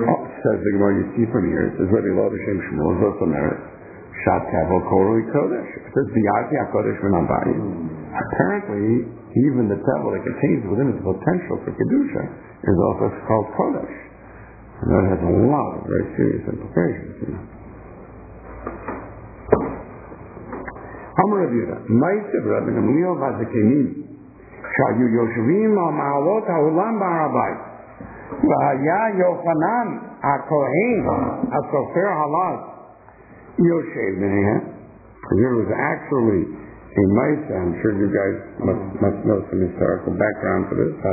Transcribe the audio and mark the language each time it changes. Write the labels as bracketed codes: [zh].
[en] a key of not really tevel? Says the Gemara, you see from here, it says, Rebbe Elazar Shem Shmuel, Shat Tevel Koroi Kodesh. It says, Biyati HaKodesh Menabai. Apparently, even the tevel that contains within its potential for Kedusha is also called Kodesh. And that has a lot of very serious implications. [he] אמר רבי יהודה, מה יצטב רבי גמליאל והזקנים שהיו יושבים על מעלות העולם בהר הבית והיה יוחנן הכהן הסופר הלז יושב ביניהם? [en] There was actually a mitzvah, I'm sure you guys must know some historical background for this.